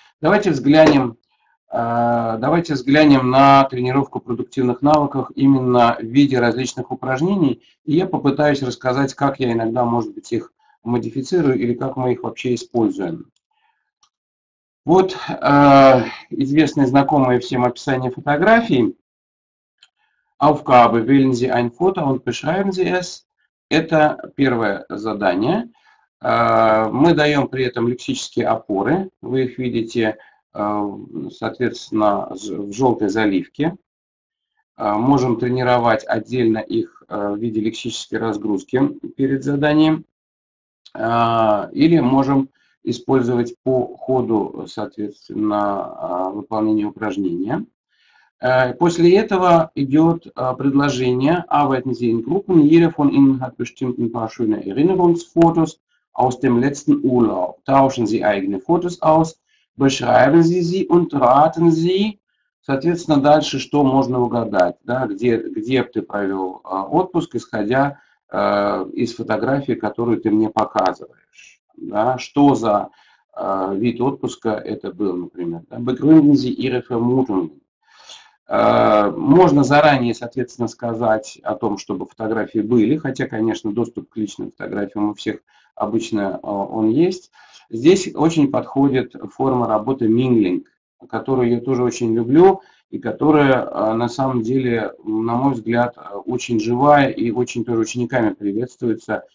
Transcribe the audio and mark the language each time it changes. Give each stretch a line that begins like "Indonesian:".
Russian: Давайте взглянем на тренировку продуктивных навыков именно в виде различных упражнений, и я попытаюсь рассказать, как я иногда, может быть, их модифицирую или как мы их вообще используем. Вот известные знакомые всем описания фотографий.
German: Aufgabe, wählen Sie ein Foto und beschreiben Sie es.
Russian: Это первое задание. Мы даем при этом лексические опоры. Вы их видите, соответственно, в желтой заливке. Можем тренировать отдельно их в виде лексической разгрузки перед заданием. Или можем использовать по ходу, соответственно, выполнения упражнения. После этого идет предложение
German: «Arbeiten Sie in Gruppen, jeder von Ihnen hat bestimmt ein paar schöne Erinnerungsfotos aus dem letzten Urlaub. Tauschen Sie eigene Fotos aus, beschreiben Sie sie und raten Sie».
Russian: Соответственно, дальше что можно угадать, да, где ты провел отпуск, исходя из фотографии, которую ты мне показываешь. Да, что за вид отпуска это был, например.
German: Да, begründen Sie Ihre Vermutungen.
Russian: Можно заранее, соответственно, сказать о том, чтобы фотографии были, хотя, конечно, доступ к личным фотографиям у всех обычно он есть. Здесь очень подходит форма работы minglinging, которую я тоже очень люблю, и которая, на самом деле, на мой взгляд, очень живая и очень тоже учениками приветствуется.